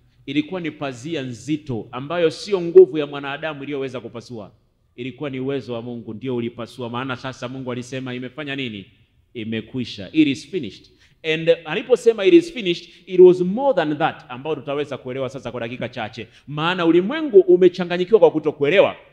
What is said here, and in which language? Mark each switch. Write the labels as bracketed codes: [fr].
[sw] Ilikuwa ni pazia nzito ambayo sio nguvu ya mwanadamu iliyoweza kupasua, ilikuwa ni uwezo wa Mungu ndio ulipasua. Maana sasa Mungu alisema imefanya nini? Imekwisha, [en] it is finished. And [sw] aliposema [en] it is finished, it was more than that, [sw] ambao tutaweza kuelewa sasa kwa dakika chache. Maana ulimwengu umechanganyikiwa kwa kutokuelewa.